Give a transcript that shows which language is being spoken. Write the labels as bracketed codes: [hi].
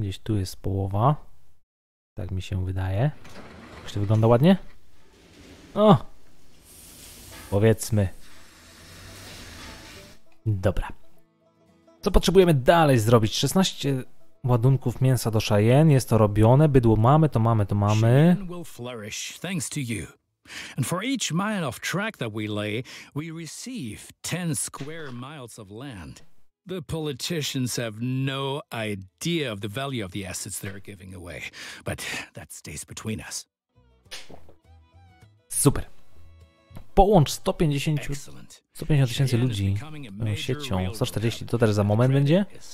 [pl] Gdzieś tu jest połowa. Tak mi się wydaje. Czy to wygląda ładnie? O! Powiedzmy. Dobra. Co potrzebujemy dalej zrobić? 16 ładunków mięsa do Cheyenne. Jest to robione. Bydło mamy, to mamy, to mamy. [en] Cheyenne will flourish thanks to you. And for each mile of track that we lay, we receive 10 square miles of land. The politicians have no idea of the value of the assets they're giving away. But that stays between us. [pl] Super. Połącz 150 tysięcy ludzi siecią. 140 to też za moment będzie.